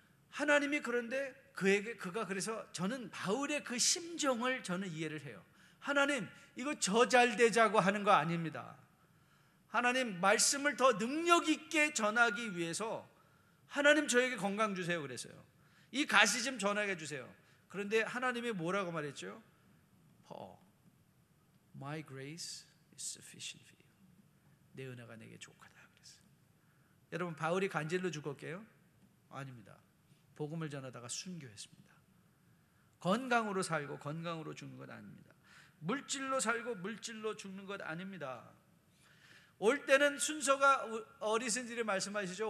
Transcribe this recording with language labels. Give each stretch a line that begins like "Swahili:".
Korean: 하나님이 그런데 그에게, 그가 그래서 저는 바울의 그 심정을 저는 이해를 해요. 하나님, 이거 저 잘 되자고 하는 거 아닙니다. 하나님, 말씀을 더 능력 있게 전하기 위해서 하나님 저에게 건강 주세요 그랬어요. 이 가시 좀 전하게 주세요. 그런데 하나님이 뭐라고 말했죠?
English: Paul, my grace is sufficient for you.
Korean: 내 은혜가 내게 족하다 그랬어요. 여러분, 바울이 간질로 죽었게요? 아닙니다. 복음을 전하다가 순교했습니다. 건강으로 살고 건강으로 죽는 건 아닙니다. 물질로 살고 물질로 죽는 것 아닙니다. 올 때는 순서가 어리신들이 말씀하시죠.